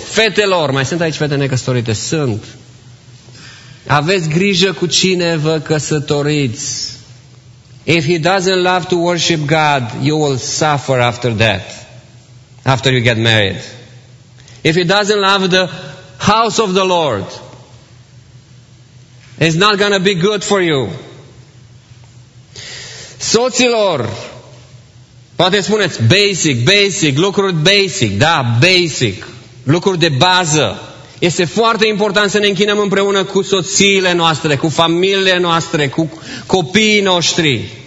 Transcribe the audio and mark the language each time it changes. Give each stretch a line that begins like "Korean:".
Romanian: Fetelor, mai sunt aici fete necăsătorite? Sunt. Aveți grijă cu cine vă căsătoriți.
English: If he doesn't love to worship God, you will suffer after that, after you get married. If he doesn't love the house of the Lord, it's not going to be good for you.
Romanian: Soților, poate spuneți, basic, lucruri basic, da, basic, lucruri de bază. Este foarte important să ne închinăm împreună cu soțiile noastre, cu familiile noastre, cu copiii noștri.